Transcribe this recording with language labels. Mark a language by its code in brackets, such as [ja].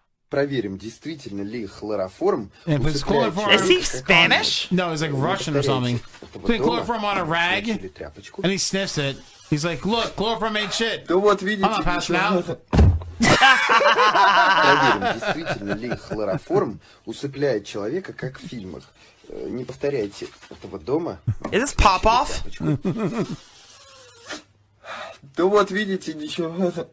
[ru] Проверим, действительно ли хлороформ. [en] Is he Spanish? No, he's like Russian or something. Putting chloroform on a rag, and he sniffs it. He's like, look, chloroform ain't shit. I'm not passing out. [ru] Проверим, действительно ли хлороформ усыпляет человека, как в фильмах. Не повторяйте этого дома. [en] Is this Popoff? [ru] Да вот видите, ничего.